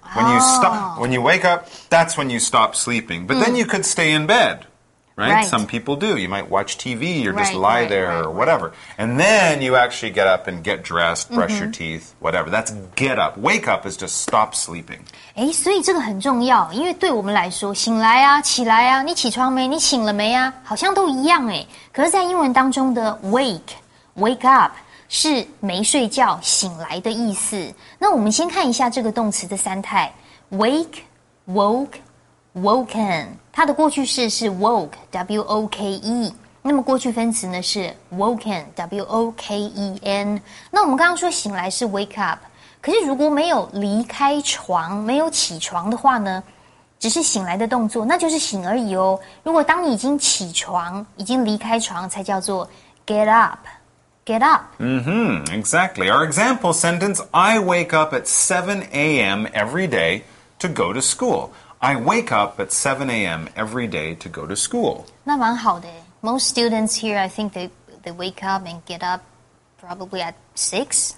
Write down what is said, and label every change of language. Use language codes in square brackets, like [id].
[en] When you stop, when you wake up, that's when you stop sleeping. But then you could stay in bed, right? Some people do. You might watch TV or just lie there, or whatever. And then you actually get up and get dressed, brush your teeth, whatever. That's get up. Wake up is just stop sleeping. [zh] 诶，所以这个很重要，因为对我们来说，醒来啊，起来啊，你起床没？你醒了没啊？好像都一样诶。可是在英文当中的 wake up 是没睡觉醒来的意思。那我们先看一下这个动词的三态 ：wake、woke、woken。它的过去式是 woke w o k e， 那么过去分词呢是 woken w o k e n。那我们刚刚说醒来是 wake up， 可是如果没有离开床、没有起床的话呢，只是醒来的动作，那就是醒而已哦。如果当你已经起床、已经离开床，才叫做 get up。 [en] Get up. Mm-hmm, exactly. Our example sentence, I wake up at 7 a.m. every day to go to school. I wake up at 7 a.m. every day to go to school. [zh] 那蛮好的。 [en] Most students here, I think they wake up and get up probably at 6.